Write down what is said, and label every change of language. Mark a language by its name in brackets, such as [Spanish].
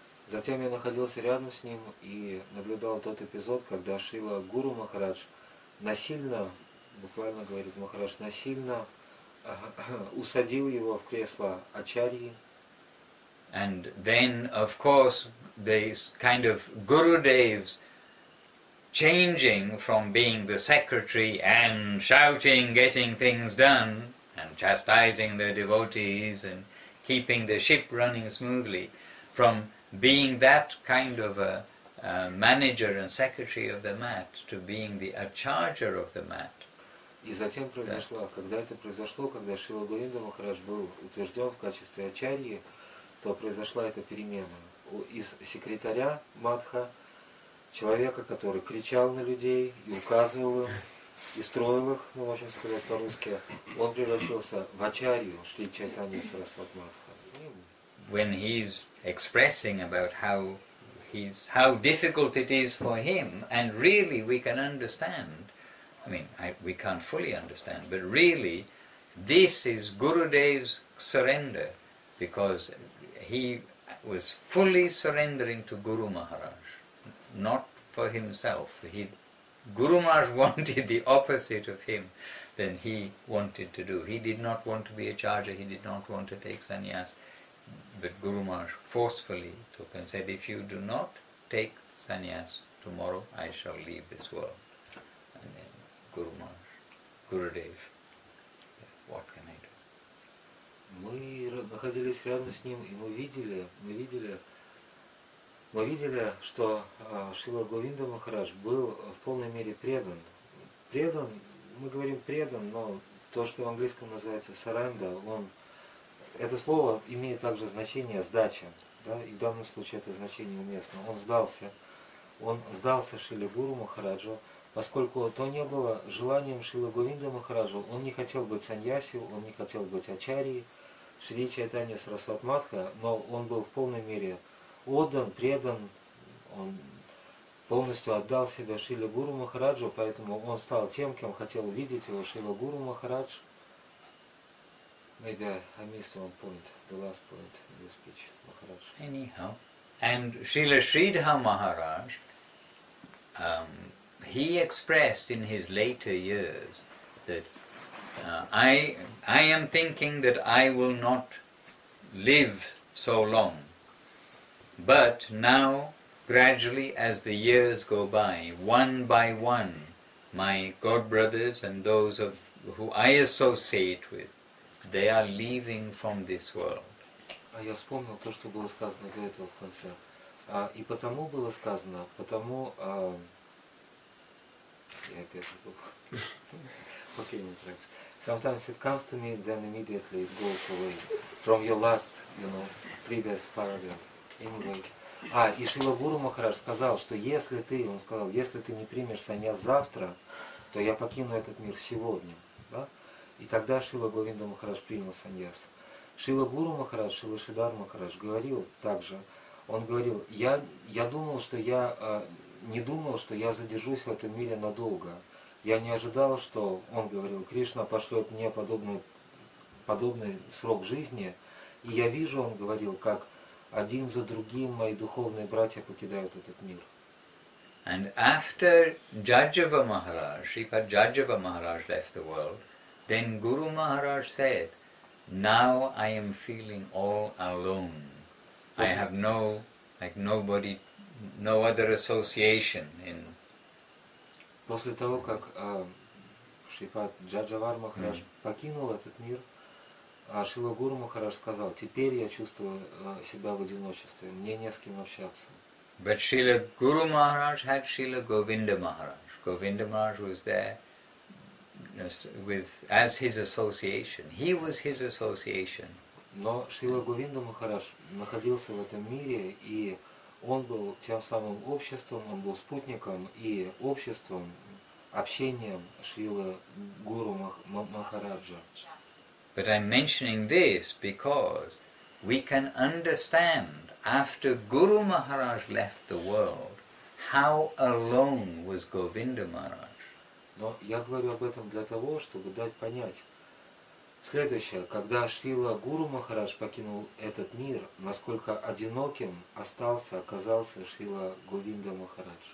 [Russian] Затем я находился рядом с ним и наблюдал тот эпизод, когда Шрила Гуру Махарадж насильно, буквально говорит Махарадж, насильно усадил его в кресло ачарьи. [English] And then, of course, this kind of Gurudev's changing from being the secretary and shouting, getting things done, and chastising the devotees and keeping the ship running smoothly, from being that kind of a manager and secretary of the mat to being the acharya of the mat. [Russian] И затем произошло, когда Шрила Говинда Махарадж был утвержден в качестве ачарьи, то произошла эта перемена. из секретаря Мадха, человека, который кричал на людей и указывал им, и строил их, мы можем сказать по-русски, он превратился в ачарью Шри Чайтанья Сарасвати Мадха. [English] When he's expressing about how he's how difficult it is for him, and really we can understand, I mean, we can't fully understand, but really this is Gurudev's surrender, because he was fully surrendering to Guru Maharaj, not for himself. Guru Maharaj wanted the opposite of him than he wanted to do. He did not want to be a charger, he did not want to take sannyas. But Guru Maharaj forcefully took and said, if you do not take sannyas tomorrow, I shall leave this world. And then Guru Maharaj, Gurudev, what can I do? [Russian] Мы находились рядом с ним, и мы видели, что Шрила Говинда Махарадж был в полной мере предан. Предан, мы говорим предан, но то, что в английском называется surrender, он... Это слово имеет также значение сдача, да, и в данном случае это значение уместно. Он сдался Шриле Гуру Махараджу, поскольку то не было желанием Шрила Говинда Махараджу, он не хотел быть саньяси, он не хотел быть ачарьей Шри Чайтанья Сарасвати Мадха, но он был в полной мере отдан, предан, он полностью отдал себя Шриле Гуру Махараджу, поэтому он стал тем, кем хотел видеть его Шрила Гуру Махарадж. [English] Maybe I missed one point, the last point in your speech, Maharaj. Anyhow, and Srila Sridhar Maharaj, he expressed in his later years that I am thinking that I will not live so long, but now gradually as the years go by, one by one, my godbrothers and those of who I associate with, they are leaving from this world. [Russian] А я вспомнил то, что было сказано до этого в конце. И потому было сказано, потому... Я опять забыл. Окей, не трогай. [English] Sometimes it comes to me, then immediately it goes away. From your last, you know, previous paragraph. Anyway. [Russian] И Шрила Гуру Махарадж сказал, что если ты не примешь саньяс завтра, то я покину этот мир сегодня. Да? И тогда Шрила Говинда Махарадж принял саньяс. Шрила Гуру Махарадж, Шрила Шридхар Махарадж говорил так же. Он говорил, я не думал, что я задержусь в этом мире надолго. Я не ожидал, что, он говорил, Кришна пошлет мне подобный срок жизни. И я вижу, он говорил, как один за другим мои духовные братья покидают этот мир. [English] And after Jajava Maharaj, Shripad Jajava Maharaj left the world, then Guru Maharaj said, now I am feeling all alone. I have no other association in... [Russian] После того, как Шрипад Джаджавар Махарадж покинул этот мир, Шрила Гуру Махарадж сказал, теперь я чувствую себя в одиночестве, мне не с кем общаться. [English] But Шрила Гуру Махарадж had Шрила Говинда Махарадж. Говинда Махарадж was there. As his association, he was his association. [Russian] Но Шрила Говинда Махарадж находился в этом мире, и он был тем самым обществом, он был спутником и обществом, общением Шрила Гуру Махараджа. [English] But I'm mentioning this because we can understand after Guru Maharaj left the world, how alone was Govinda Maharaj. [Russian] Но я говорю об этом для того, чтобы дать понять следующее. Когда Шрила Гуру Махарадж покинул этот мир, насколько одиноким оказался Шрила Говинда Махарадж.